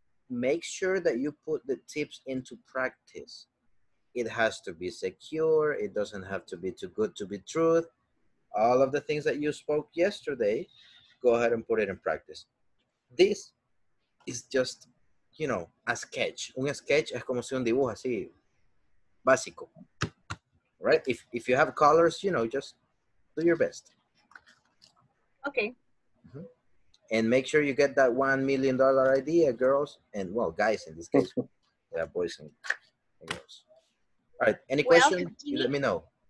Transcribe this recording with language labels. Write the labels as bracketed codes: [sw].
[en] Make sure that you put the tips into practice. It has to be secure. It doesn't have to be too good to be truth. All of the things that you spoke yesterday, go ahead and put it in practice. This is just, you know, a sketch. [es] Un sketch es como si un dibujo así, básico, right? [en] If you have colors, you know, just do your best. Okay. And make sure you get that $1 million idea, girls, and, well, guys in this case. Yeah, boys and girls. All right, any question? You let me know.